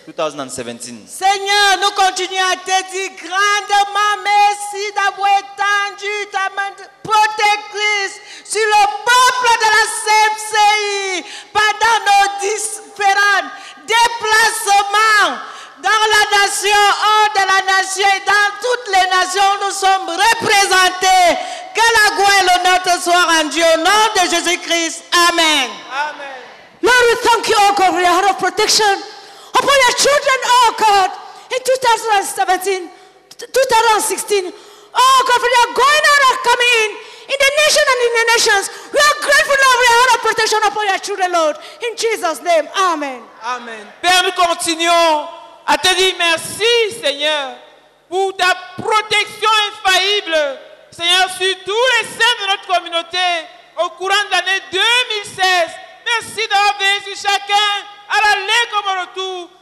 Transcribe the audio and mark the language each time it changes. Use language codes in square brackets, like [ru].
[fr] Seigneur, nous continuons à te dire grandement merci d'avoir étendu ta main protectrice sur le peuple de la CMCI pendant nos différents déplacements dans la nation, hors de la nation et dans toutes les nations. Nous sommes représentés. Que la gloire et l'honneur te soient rendus au nom de Jésus-Christ. Amen. Amen. [en] Lord, we thank you, O God, for your heart of protection upon your children, O God, in 2016. O God, for your going out and coming in the nation and in the nations. We are grateful, Lord, for your heart of protection upon your children, Lord. In Jesus' name, amen. Amen. [fr] Père, nous continuons à te dire merci, Seigneur, pour ta protection infaillible, Seigneur, sur tous les saints de notre communauté au courant de l'année 2016. Merci d'avoir veillé sur chacun, à l'aller comme au retour.